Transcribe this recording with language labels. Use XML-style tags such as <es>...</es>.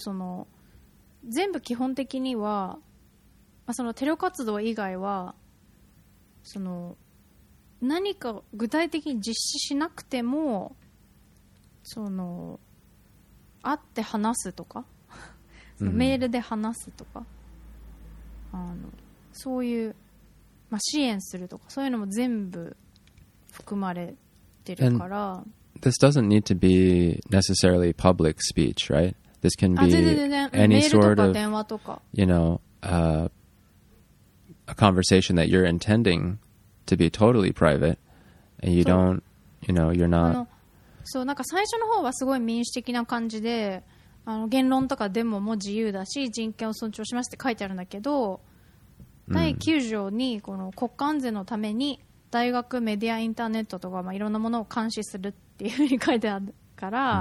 <ja>その全部基本的には、まあ、そのテロ活動以外はその何か具体的に実施しなくてもその会って話すとかメールで話すとか、うん、あのそういう、まあ、支援するとかそういうのも全部含まれてるから</ja> <en>This doesn't need to be necessarily public speech, right? This can be any sort of you know, a conversation that you're intending to be totally private and you don't, you know, you're not</en> <ja>そうなんか最初の方はすごい民主的な感じであの言論とかデモも自由だし人権を尊重しますって書いてあるんだけど、うん、第9条にこの国家安全のために大学メディアインターネットとか、まあ、いろんなものを監視するっていうふうに書いてあるから、</ja>